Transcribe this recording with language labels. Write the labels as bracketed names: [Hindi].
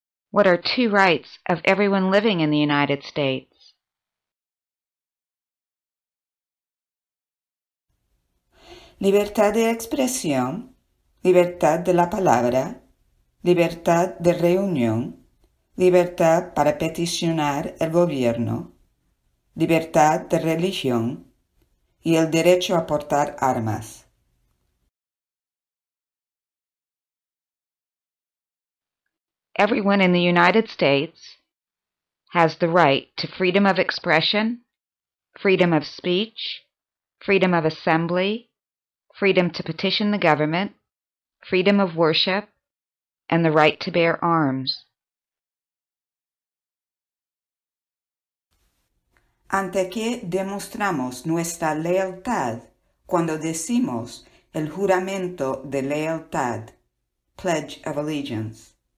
[English] What are two rights of everyone living in the United States? [Spanish] Libertad de expresión, libertad de la palabra, libertad de reunión, libertad para peticionar el gobierno, libertad de religión y el derecho a portar armas. [English] Everyone in the United States has the right to freedom of expression, freedom of speech, freedom of assembly, freedom to petition the government, freedom of worship, and the right to bear arms. [Spanish] ¿Ante qué demostramos nuestra lealtad cuando decimos el juramento de lealtad, Pledge of Allegiance?